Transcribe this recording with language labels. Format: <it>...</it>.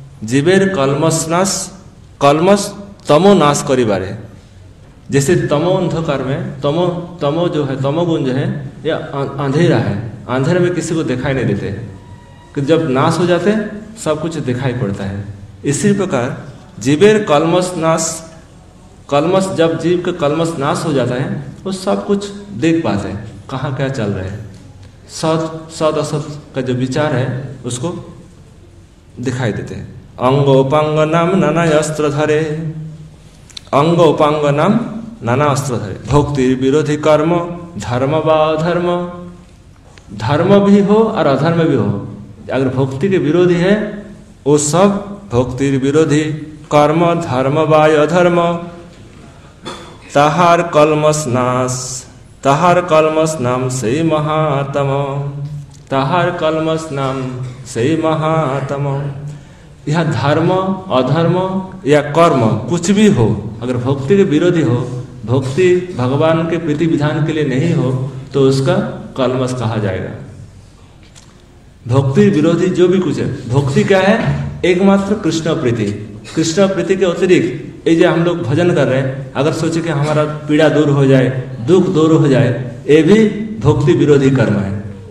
<bn>जीवेर कलमस नाश कलमस</bn> <hi>तमो नाश करिवारे जैसे तमो अंधकार में तमो तमो जो है तमो गुण जो है या अंधेरा है, अंधेरे में किसी को दिखाई नहीं देते कि जब नाश हो जाते सब कुछ दिखाई पड़ता है। इसी प्रकार</hi> <bn>जीवेर कलमस नाश कलमस</bn> <hi>जब जीव के कलमस नाश हो जाता है वो सब कुछ देख पाते हैं कहाँ क्या चल रहा है, सत सत असत का जो विचार है उसको दिखाई देते हैं।</hi> <bn>अंग उपांग नाम नाना अस्त्र धरे, অঙ্গ উপাঙ্গ নাম নানা অস্ত্র ধরে, ভক্তির বিরোধী কর্ম ধর্ম বা অধর্ম,</bn> <hi>ধর্ম ভি হো আর অধর্ম ভি হো,</hi> <bn>আগে ভক্তিকে বিরোধী হ্যাঁ ও সব ভক্তির বিরোধী কর্ম ধর্ম বা অধর্ম তাহার কলমস নাশ, তাহার কলমস নাম সেই মহাতম, তাহার কলমস নাম সেই মহাতম।</bn> <hi>यह धर्म अधर्म या कर्म कुछ भी हो अगर भक्ति के विरोधी हो, भक्ति भगवान के प्रति विधान के लिए नहीं हो तो उसका कलमस कहा जाएगा। भक्ति विरोधी जो भी कुछ है, भक्ति क्या है एकमात्र कृष्ण प्रीति, कृष्ण प्रीति के अतिरिक्त ये जो हम लोग भजन कर रहे हैं अगर सोचे कि हमारा पीड़ा दूर हो जाए दुख दूर हो जाए ये भी भक्ति विरोधी कर्म है।</hi>